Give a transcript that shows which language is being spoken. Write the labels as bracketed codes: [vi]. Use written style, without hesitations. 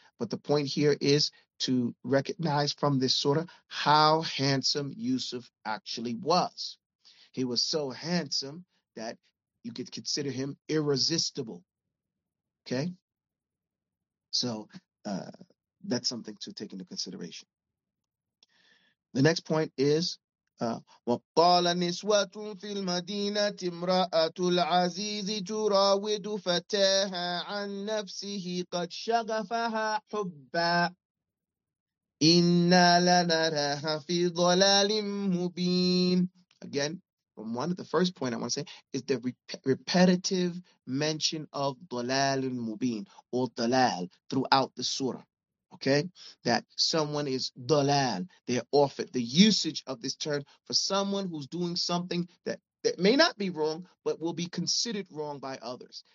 [en] But the point here is to recognize from this surah how handsome Yusuf actually was. He was so handsome that you could consider him irresistible. Okay? So that's something to take into consideration. The next point is, [ar] وقال نسوة في المدينة امرأة العزيز تراود فتاها عن نفسه قد شغفها حبا إنا لنراها في ضلال مبين. [en] Again, one of the first point I want to say is the repetitive mention of ضلال مبين or ضلال throughout the surah. Okay, that someone is dalal, they're off it. The usage of this term for someone who's doing something that may not be wrong, but will be considered wrong by others.